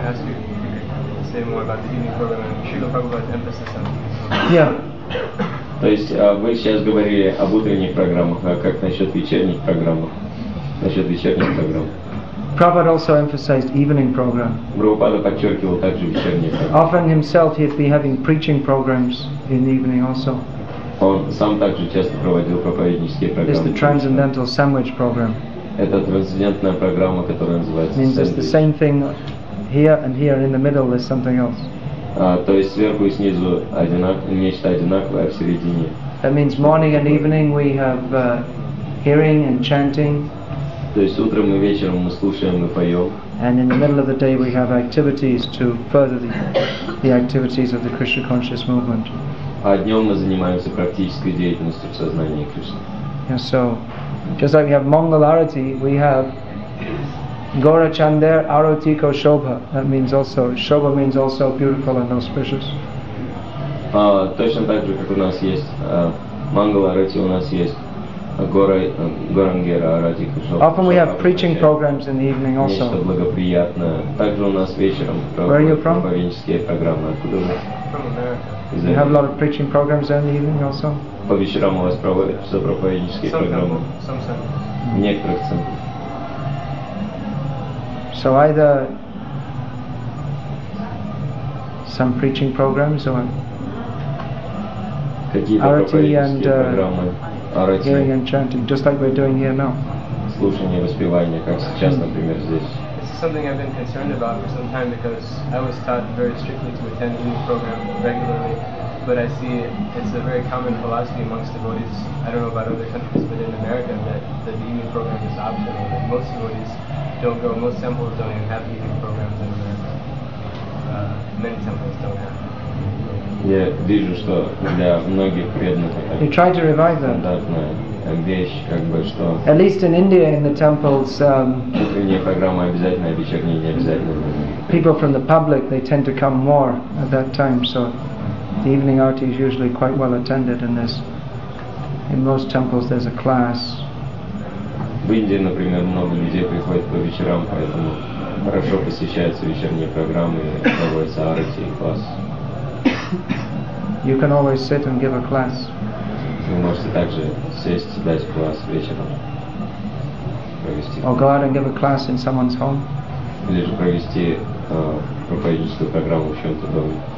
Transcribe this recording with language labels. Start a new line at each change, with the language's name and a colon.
English: ask you to say more about the evening program and Srila Prabhupada's emphasis on it. Yeah.
Russian: То есть вы сейчас говорили об утренних программах, а как насчет вечерних программ? Насчет вечерних программ.
English: Prabhupada also emphasized evening program.
Russian: Prabhupada подчеркивал также вечерние программы.
English: Often himself he'd be having preaching programs in the evening also.
Russian: Он сам также часто проводил проповеднические программы.
English: It's the transcendental sandwich program.
Russian: Это трансцендентная программа, которая называется.
English: Means it's the same thing here and here in the middle. There's something else.
Russian: То есть сверху и снизу нечто одинаковое, а в середине.
English: That means morning and evening we have hearing and chanting.
Russian: То есть утром и вечером мы слушаем и поем.
English: And in the middle of the day we have activities to further the activities of the Krishna conscious movement.
Russian: А днем мы занимаемся практической деятельностью в сознании Кришны.
English: Yeah, so just like we have Mangalarati, we have Gaura Chander Aroti Ko Shobha. That means also Shobha means also beautiful and auspicious.
Russian: Точно так же, как у нас есть Mangala Arati у нас есть.
English: Often we have preaching programs in the evening also.
Russian: Также у нас вечером проповеднические программы.
English: Do you have a lot of preaching programs in the evening also?
Russian: По вечерам у вас проводятся проповеднические программы. В некоторых центрах.
English: So either some preaching programs or arati and hearing and chanting, just like we're doing here now.
Russian: Слушание, воспевание, как сейчас, например, здесь.
English: This is something I've been concerned about for some time because I was taught very strictly to attend any program regularly, but I see it's a very common philosophy amongst devotees. I don't know about other countries, but in America, that the evening program is optional. That most devotees don't go. Most temples don't even have evening programs in America. Many temples don't have.
Russian: Я вижу, что для многих преданных
English: you try to revive them.
Russian: Стандартная вещь, как бы, что
English: at least in India, in the temples,
Russian: утренняя программа обязательная, вечерняя не обязательная.
English: People from the public, they tend to come more at that time, so the evening arati is usually quite well attended, and in most temples there's a class.
Russian: В Индии, например, много людей приходит по вечерам, поэтому хорошо посещаются вечерние программы, проводятся арати и класс.
English: You can always sit and give a class.
Russian: Вы можете также сесть и дать класс вечером.
English: Or go out and give a class in someone's home.
Russian: Или же провести проповедническую программу в чем-то доме.